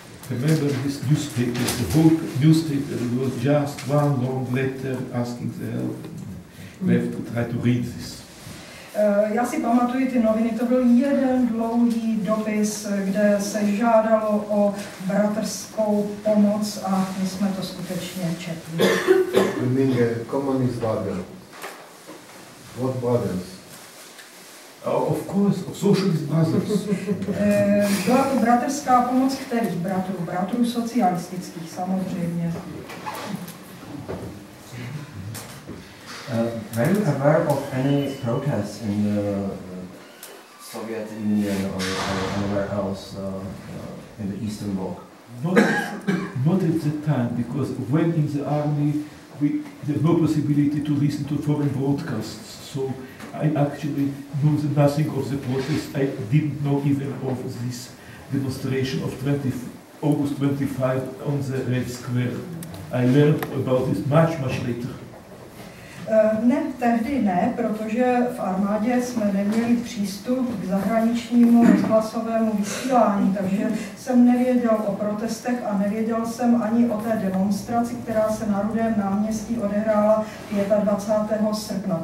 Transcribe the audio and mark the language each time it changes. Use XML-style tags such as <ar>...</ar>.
<en>Remember this newspaper, the whole newspaper was just one long letter asking the help. We have to try to read this.</en> <cs>Já si pamatuju ty noviny, to byl jeden dlouhý dopis, kde se žádalo o bratrskou pomoc a my jsme to skutečně četli.</cs> <en>You mean a communist brother? What brothers? Of course, of socialist brothers.</en> <cs>Byla to bratrská pomoc kterých bratrů? Bratrů socialistických, samozřejmě.</cs> <en>Were you aware of any protests in the Soviet Union or anywhere else in the Eastern Bloc? Not at the time, because when in the army, there's no possibility to listen to foreign broadcasts. So I actually knew nothing of the process. I didn't know even of this demonstration of August 25 on the Red Square. I learned about this much, much later.</en> <cs>Ne, tehdy ne, protože v armádě jsme neměli přístup k zahraničnímu rozhlasovému vysílání, takže jsem nevěděl o protestech a nevěděl jsem ani o té demonstraci, která se na Rudém náměstí odehrála 25. srpna.</cs>